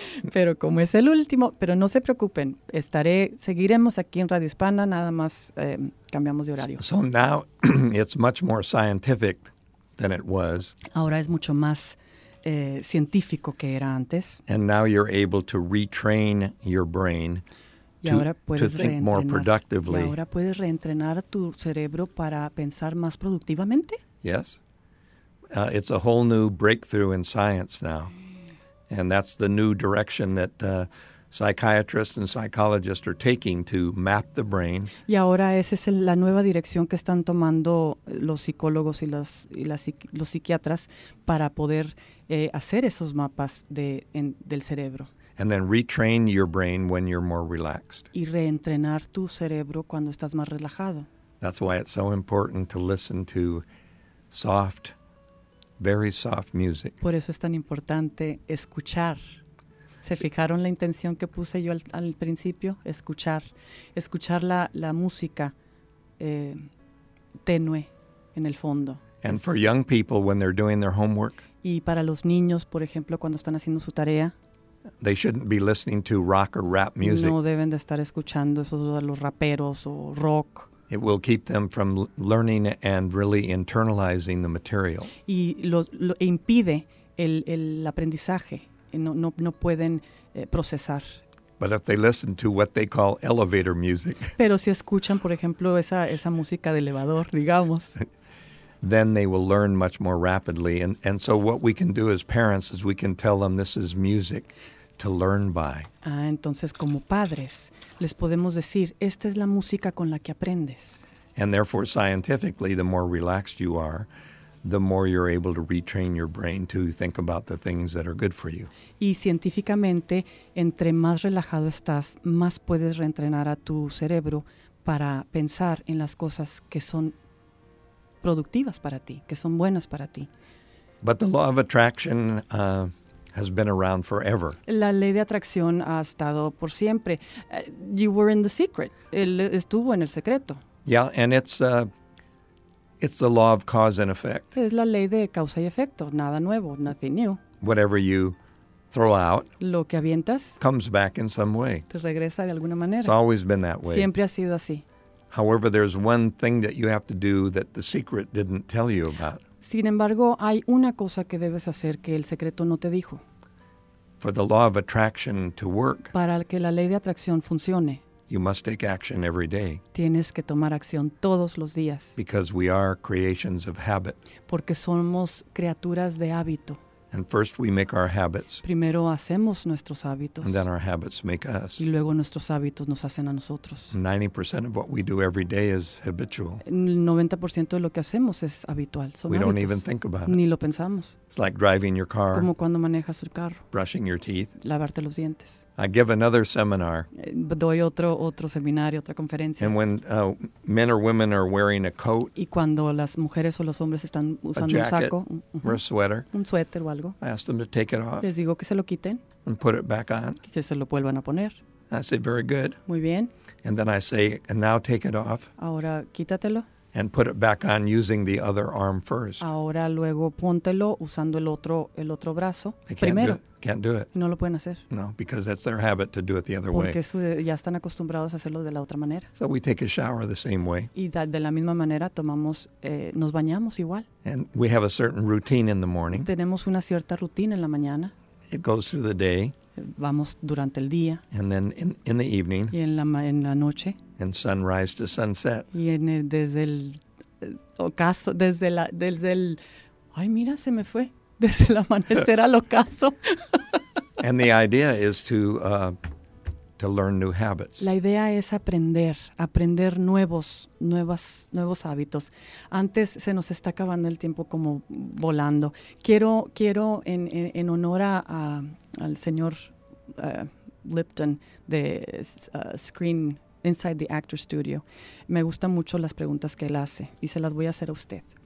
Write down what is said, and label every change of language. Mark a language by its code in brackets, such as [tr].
[es] Pero como es el último, pero no se preocupen, seguiremos aquí en Radio Hispana, nada más cambiamos de horario. [en] So now it's much more scientific than it was. [es] Ahora es mucho más científico que era antes. [en] And now you're able to retrain your brain to think more productively. [es] Y ahora puedes reentrenar tu cerebro para pensar más productivamente. [en] Yes. It's a whole new breakthrough in science now. And that's the new direction that psychiatrists and psychologists are taking to map the brain. [es] Y ahora esa es la nueva dirección que están tomando los psicólogos y los psiquiatras para poder hacer esos mapas del cerebro. [en] And then retrain your brain when you're more relaxed. [es] Y reentrenar tu cerebro cuando estás más relajado. [en] That's why it's so important to listen to soft, very soft music. [es] Por eso es tan importante escuchar. ¿Se fijaron la intención que puse yo al principio? Escuchar. Escuchar la música tenue en el fondo. [en] And for young people, when they're doing their homework. [es] Y para los niños, por ejemplo, cuando están haciendo su tarea. [en] They shouldn't be listening to rock or rap music. [es] No deben de estar escuchando esos de los raperos o rock. [en] It will keep them from learning and really internalizing the material. [es] Y lo impide el aprendizaje. No pueden procesar. [en] But if they listen to what they call elevator music. [es] Pero si escuchan, por ejemplo, esa música de elevador, digamos. [en] Then they will learn much more rapidly. And so what we can do as parents is we can tell them this is music to learn by. [es] Ah, entonces como padres les podemos decir, esta es la música con la que aprendes. [en] And therefore, scientifically, the more relaxed you are, the more you're able to retrain your brain to think about the things that are good for you. [es] Y científicamente, entre más relajado estás, más puedes reentrenar a tu cerebro para pensar en las cosas que son productivas para ti, que son buenas para ti. [en] But the law of attraction has been around forever. [es] La ley de atracción ha estado por siempre. [en] You were in the secret. [es] Él estuvo en el secreto. [en] Yeah, and it's the law of cause and effect. [es] Es la ley de causa y efecto. Nada nuevo, [en] nothing new. Whatever you throw out, [es] lo que avientas, [en] comes back in some way. [es] Te regresa de alguna manera. [en] It's always been that way. [es] Siempre ha sido así. [en] However, there's one thing that you have to do that the secret didn't tell you about. [es] Sin embargo, hay una cosa que debes hacer que el secreto no te dijo. [en] For the law of attraction to work. [es] Para que la ley de atracción funcione. [en] You must take action every day. [es] Tienes que tomar acción todos los días. [en] Because we are creations of habit. [es] Porque somos criaturas de hábito. [en] And first we make our habits. [es] Primero hacemos nuestros hábitos. [en] And then our habits make us. [es] Y luego nuestros hábitos nos hacen a nosotros. [en] 90% of what we do every day is habitual. [es] El 90% de lo que hacemos es habitual. Son [en] we [es] hábitos. [en] Don't even think about [es] ni [en] it. [es] Lo pensamos. [en] It's like driving your car. [es] Como cuando manejas el carro. [en] Brushing your teeth. [es] Lavarte los dientes. [en] I give another seminar. [es] Doy otro seminario, otra conferencia. [en] And when men or women are wearing a coat. [es] Y cuando las mujeres o los hombres están usando [en] a jacket, [es] un saco. [en] Or a sweater. [es] Un suéter o algo. [en] I ask them to take it off. [es] Les digo que se lo quiten. [en] And put it back on. [es] Que se lo vuelvan a poner. [en] I say, very good. [es] Muy bien. [en] And then I say, and now take it off. [es] Ahora quítatelo. [en] And put it back on using the other arm first. [es] Ahora luego póntelo usando el otro brazo primero. [en] Can't do it. [es] No lo pueden hacer. [en] No, because that's their habit to do it the other way. [es] Porque ya están acostumbrados a hacerlo de la otra manera. [en] So we take a shower the same way. [es] Y de la misma manera nos bañamos igual. [en] And we have a certain routine in the morning. [es] Tenemos una cierta rutina en la mañana. [en] It goes through the day. [es] Vamos durante el día. [en] And then in the evening. [es] Y en la noche. [en] And sunrise to sunset. [es] Y desde el ocaso, desde el amanecer al ocaso. [en] And the idea is to learn new habits. [es] La idea es aprender nuevos hábitos. Antes se nos está acabando el tiempo como volando. Quiero en honor al señor Lipton de Screen Inside the Actor Studio. Me gustan mucho las preguntas que él hace y se las voy a hacer a usted.